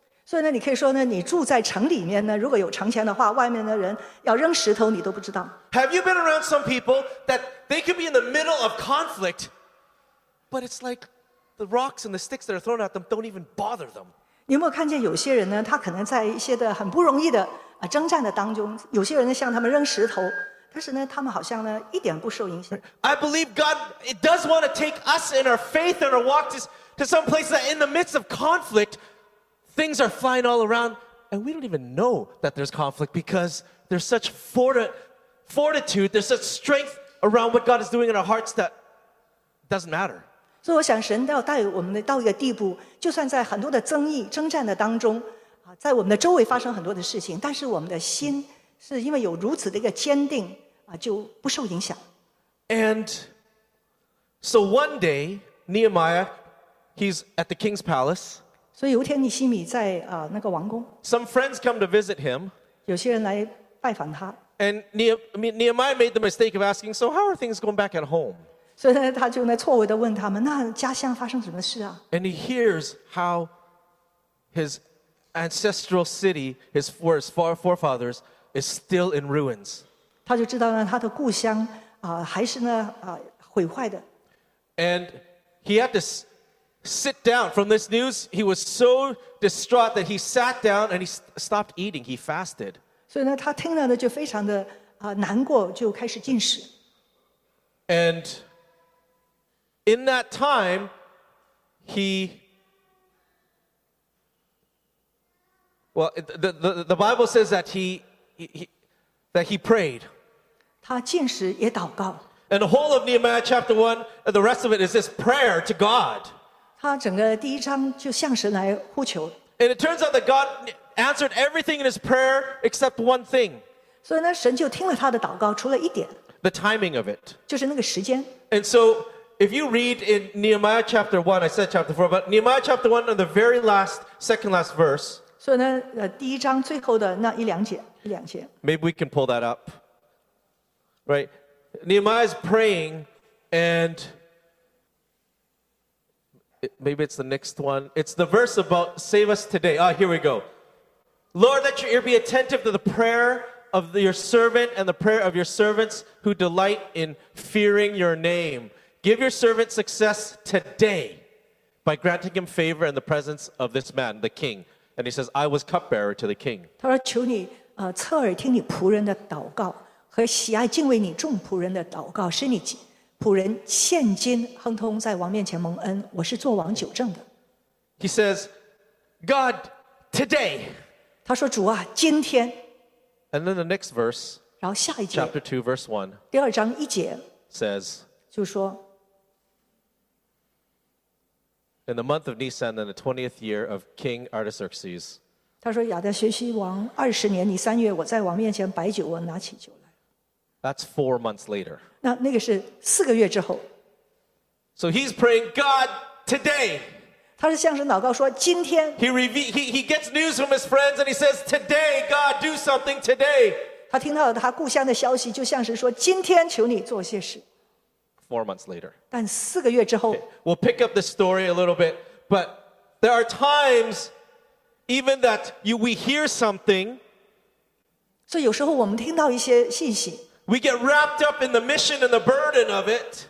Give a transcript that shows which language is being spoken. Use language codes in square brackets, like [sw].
[zh] 所以呢，你可以说呢，你住在城里面呢，如果有城墙的话，外面的人要扔石头，你都不知道。 [en] Have you been around some people that they could be in the middle of conflict, but it's like the rocks and the sticks that are thrown at them don't even bother them? [zh] 你有没有看见有些人呢？他可能在一些的很不容易的征战的当中，有些人向他们扔石头，但是呢，他们好像呢一点不受影响。 [en] I believe God it does want to take us in our faith and our walk to some place that in the midst of conflict. Things are flying all around, and we don't even know that there's conflict because there's such fortitude, there's such strength around what God is doing in our hearts that doesn't matter. So I think God will take us to a point, even in the midst of many conflicts, in the midst of many struggles, in the midst of many things happening around us, but our heart, because we have such determination, will not be affected. And so one day, Nehemiah, he's at the king's palace. [zh] 所以有一天，尼希米在那个王宫。 [en] Some friends come to visit him. [zh] 有些人来拜访他。 [en] And Nehemiah made the mistake of asking, "So how are things going back at home?" [zh] 所以呢，他就呢错误的问他们，那家乡发生什么事啊 [en] ？And he hears how his ancestral city, his forefathers, is still in ruins. [zh] 他就知道呢，他的故乡还是呢毁坏的。 [en] And he had to. Sit down. From this news, he was so distraught that he sat down and he stopped eating. He fasted. So, then, he heard it, just very, very, sad. He started fasting. And in that time, the Bible says that he prayed. He fasted and prayed. And the whole of Nehemiah chapter 1, the rest of it is this prayer to God. [zh] 他整个第一章就向神来呼求。 [en] And it turns out that God answered everything in his prayer except one thing. [zh] 所以呢，神就听了他的祷告，除了一点。 [en] The timing of it. [zh] 就是那个时间。 [en] And so, if you read in Nehemiah chapter 1, I said chapter 4, but Nehemiah chapter 1 on the very last, second last verse. [zh] 所以呢，第一章最后的那一两节。 [en] Maybe we can pull that up. Right? Nehemiah's praying and... Maybe it's the next one. It's the verse about save us today. Ah, here we go. Lord, let your ear be attentive to the prayer of your servant and the prayer of your servants who delight in fearing your name. Give your servant success today by granting him favor in the presence of this man, the king. And he says, I was cupbearer to the king. [zh] 他说求你侧耳听你仆人的祷告和喜爱敬畏你众仆人的祷告是你己。仆人现今亨通在王面前蒙恩，我是做王久正的。 [en] He says, God, today. [zh] 他说主啊，今天。 [en] And then the next verse. [zh] 然后下一节。 [en] Chapter 2, verse 1. [zh] 第二章一节。 [en] Says. [zh] 就说。 [en] In the month of Nisan, in the 20th year of King Artaxerxes. [zh] 他说亚当学习王二十年，你三月我在王面前摆酒，我拿起酒来。 [en] That's 4 months later. [zh] 那个是四个月之后。 [en] So he's praying God today. [zh] 他是向神祷告说今天。 [en] He gets news from his friends and he says today, God, do something today. [zh] 他听到了他故乡的消息，就向神说今天求你做些事。 [en] 4 months later. [zh] 但四个月之后。 [en] Okay. We'll pick up the story a little bit, but there are times. Even that we hear something, so [zh] 有时候我们听到一些信息 [en] we get wrapped up in the mission and the burden of it,